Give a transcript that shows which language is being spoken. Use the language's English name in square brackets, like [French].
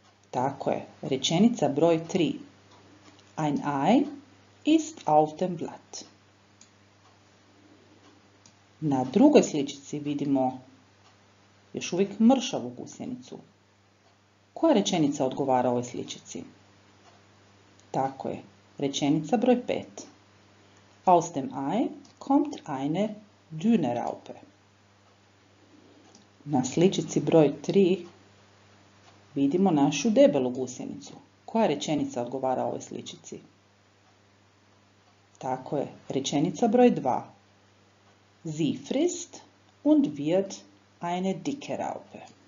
[Croatian] Tako je, rečenica broj 3. [German] Ein Ei ist auf dem Blatt. [Croatian] Na drugoj sličici vidimo još uvijek mršavu gusjenicu. Koja rečenica odgovara ovoj sličici? Tako je, rečenica broj 5. [German] Aus dem Ei kommt eine dünne Raupe. [Croatian] Na sličici broj 3 vidimo našu debelu gusjenicu. Koja rečenica odgovara ovoj sličici? Tako je, rečenica broj 2. [German] Sie frisst und wird eine dicke Raupe.